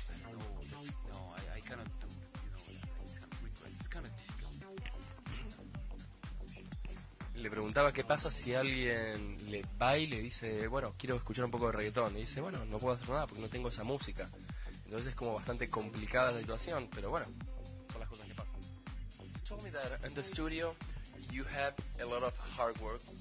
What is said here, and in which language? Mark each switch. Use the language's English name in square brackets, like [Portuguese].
[English] I cannot do, you know, this kind of request. It's kind of difficult. [Spanish] Le preguntaba qué pasa si alguien le va y le dice, bueno, quiero escuchar un poco de reggaetón. Y dice, bueno, no puedo hacer nada porque no tengo esa música. Entonces es como bastante complicada la situación, pero bueno, son las cosas que pasan. [English] You told me that in the studio you have a lot of hard work.